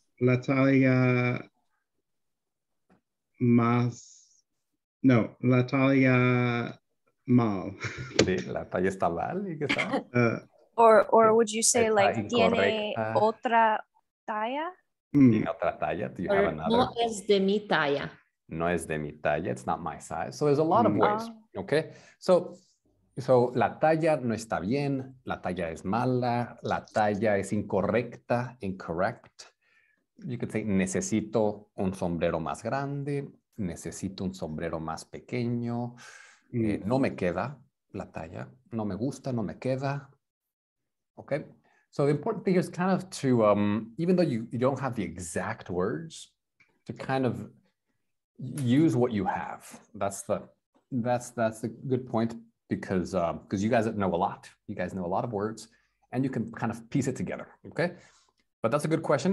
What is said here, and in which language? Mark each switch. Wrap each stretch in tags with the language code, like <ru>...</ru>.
<es>La talla más, no, la talla mal. Sí, la talla está mal. ¿Y qué está?</es> <en>Or would you say like, tiene otra talla?</en> <es>Tiene otra talla,</es> <en>do you or have another?</en> <es>No es de mi talla. No es de mi talla,</es> <en>it's not my size. So there's a lot of ways, okay?</en> <es>So la talla no está bien, la talla es mala, la talla es incorrecta, incorrect.</es> <en>You could say,</en> <es>necesito un sombrero más grande, necesito un sombrero más pequeño, no me queda la talla, no me gusta, no me queda, okay?</es> <en>So the important thing is kind of to, even though you don't have the exact words, to kind of use what you have. That's a good point, because you guys know a lot. You guys know a lot of words and you can kind of piece it together, okay? But that's a good question.</en>